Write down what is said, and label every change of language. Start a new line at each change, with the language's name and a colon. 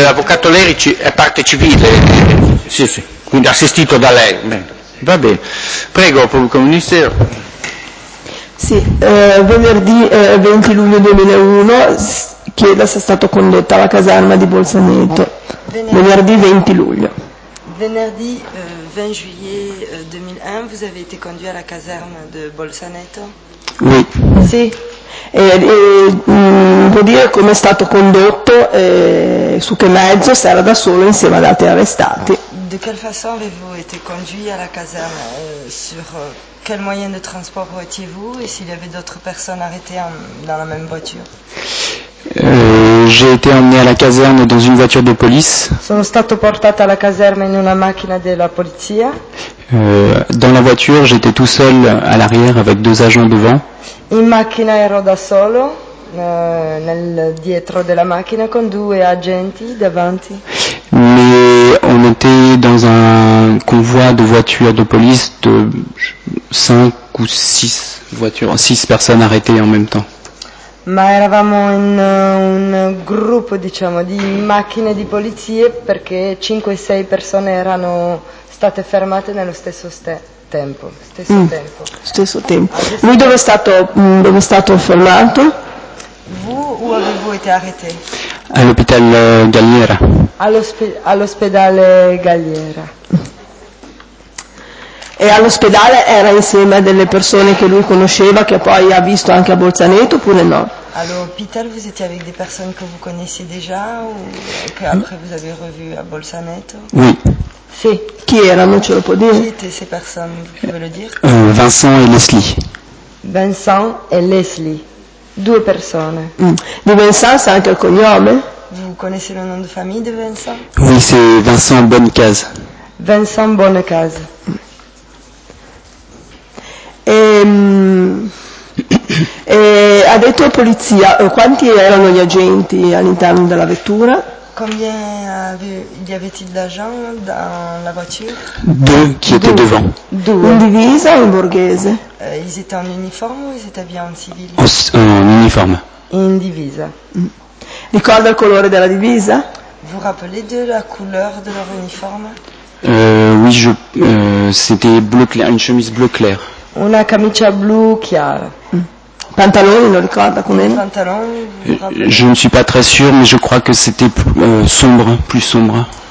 Italian: L'avvocato Lerici è parte civile, sì, quindi assistito da lei. Bene. Va bene. Prego, pubblico ministero. Sì, venerdì 20 luglio 2001 chiedo se è stato condotto alla caserma di Bolzaneto. Venerdì 20 luglio.
French: Venerdì 20 juillet 2001, vous avez été conduit
Italian: alla caserma di Bolzaneto?
French: Oui.
Italian: Sì, vuol dire come è stato condotto, su che mezzo, se era da solo insieme ad altri arrestati.
French: De quelle façon avez-vous été conduit à la caserne? Sur quel moyen de transport étiez-vous et s'il y avait d'autres personnes arrêtées dans la même voiture? J'ai été emmené à la caserne dans une voiture de police.
Italian: Sono stato portato alla caserma in una macchina della polizia.
French: Dans la voiture, j'étais tout seul à l'arrière avec deux agents devant.
Italian: In macchina ero da solo, nel dietro della macchina con due agenti davanti.
French: Mais on était dans un convoi de voitures de police de 5 ou 6 voitures, 6 personnes arrêtées en même temps.
Italian: Ma eravamo in un gruppo, diciamo, di macchine di polizia perché 5-6 persone erano state fermate nello stesso tempo. Stesso tempo. Lui dove è stato fermato?
French: Vous, où avez-vous été arrêté? All'hôpital Galliera.
Italian: All'ospedale Galliera. E all'ospedale era insieme a delle persone che lui conosceva, che poi ha visto anche a Bolzaneto, oppure no?
French: All'hôpital vous étiez avec des personnes que vous connaissiez déjà ou que après vous avez revu à Bolzaneto? Oui.
Italian: Sì. Chi erano, ce lo può dire?
French: Qui étaient ces personnes, vous pouvez le dire? Vincent et Leslie.
Italian: Vincent et Leslie. Due persone. Di Vincent c'è anche il cognome?
French: Vous connaissez le nom de famille de Vincent? Oui, c'est Vincent Bonnecase. Vincent Bonnecase.
Italian: Ha detto alla polizia, quanti erano gli agenti all'interno della vettura?
French: Combien
Italian: gli avete
French: d'agents dans la voiture? Deux qui étaient devant.
Italian: Deux. Un divisa e un borghese.
French: Ils étaient en uniforme ou ils étaient bien en civil? En uniforme.
Italian: In divisa. Ricorda il colore della divisa?
French: Vous rappelez de la couleur de leur uniforme? C'était bleu clair, une chemise bleu clair.
Italian: Una camicia blu chiara.
French: Pantalon, il ne regarde pas combien. Pantalon. Je ne suis pas très sûr, mais je crois que c'était sombre, plus sombre.